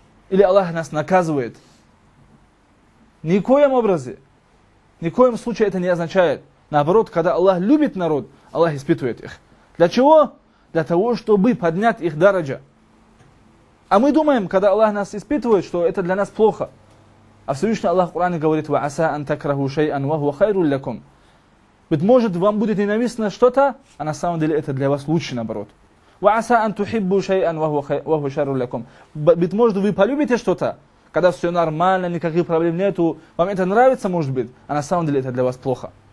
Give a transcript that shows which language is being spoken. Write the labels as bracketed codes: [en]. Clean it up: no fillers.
[ru] Или Аллах нас наказывает. Никоим образом, никоим случае это не означает. Наоборот, когда Аллах любит народ, Аллах испытывает их. Для чего? Для того, чтобы поднять их дараджа. А мы думаем, когда Аллах нас испытывает, что это для нас плохо. А Всевышний Аллах в Коране говорит, [ar] وَعَسَىٰ أَن تَكْرَهُ شَيْئًا وَهُوَ خَيْرٌ لَكُمْ. [ru] Ведь может вам будет ненавистно что-то, а на самом деле это для вас лучше наоборот. [ar] وَعَسَىٰ أَن تُحِبُّ شَيْئًا وَهُوَ شَرٌ لَكُمْ. [ru] Ведь может вы полюбите что-то, когда все нормально, никаких проблем нету, вам это нравится может быть, а на самом деле это для вас плохо.